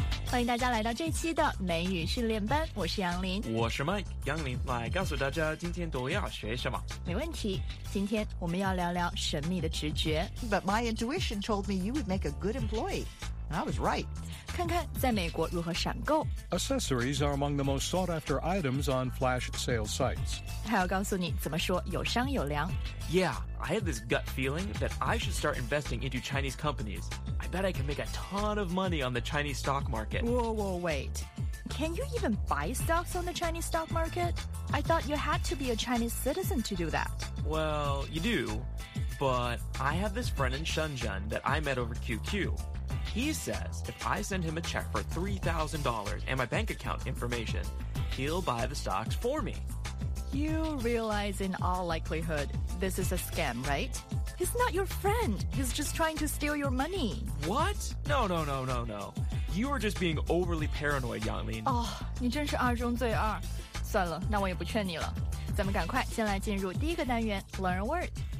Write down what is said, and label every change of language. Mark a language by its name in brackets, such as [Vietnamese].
[Chinese] 欢迎大家来到这期的美语训练班，我是杨林。我是 Mike， 杨林来告诉大家今天都要学什么。没问题，今天我们要聊聊神秘的直觉。 [English] But my intuition told me you would make a good employee, and I was right. [Chinese] 看看在美国如何闪购。 [English] Accessories are among the most sought after items on flash sale sites. [Chinese] 还要告诉你怎么说有商有量。 [English] Yeah, I have this gut feeling that I should start investing into Chinese companies. I bet I can make a ton of money on the Chinese stock market. Whoa, wait. Can you even buy stocks on the Chinese stock market? I thought you had to be a Chinese citizen to do that. Well, you do. But I have this friend in Shenzhen that I met over QQ. He says if I send him a check for $3,000 and my bank account information, he'll buy the stocks for me. You realize in all likelihood, this is a scam, right? He's not your friend. He's just trying to steal your money. What? No. You are just being overly paranoid, Yanglin. [Chinese] Oh, 你真是二中最二。算了，那我也不劝你了。咱们赶快先来进入第一个单元 , Learn a Word.